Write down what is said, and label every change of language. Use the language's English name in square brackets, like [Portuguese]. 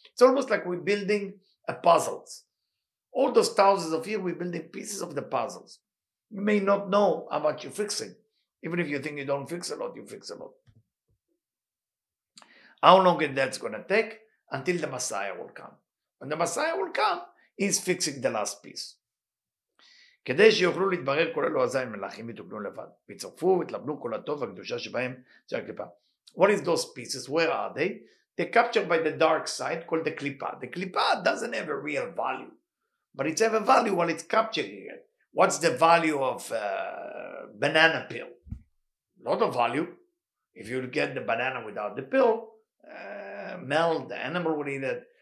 [English] It's almost like we're building a puzzle. All those thousands of years, we're building pieces of the puzzles. You may not know how much you're fixing. Even if you think you don't fix a lot, you fix a lot. How long is that going to take? Until the Messiah will come. When the Messiah will come, he's fixing the last piece. [Hebrew] כדי שיוכלו להתברר כל אלו הזין מלאכים יתוקנו לבד. ויצרפו ויתלבנו כל הטוב והקדושה שבהם שהקליפה. [English] What is those pieces? Where are they? They're captured by the dark side called the klipa. The klipa doesn't have a real value, but it's have a value while it's capturing it. What's the value of a banana peel? A lot of value. If you get the banana without the peel, melt, the animal would eat it.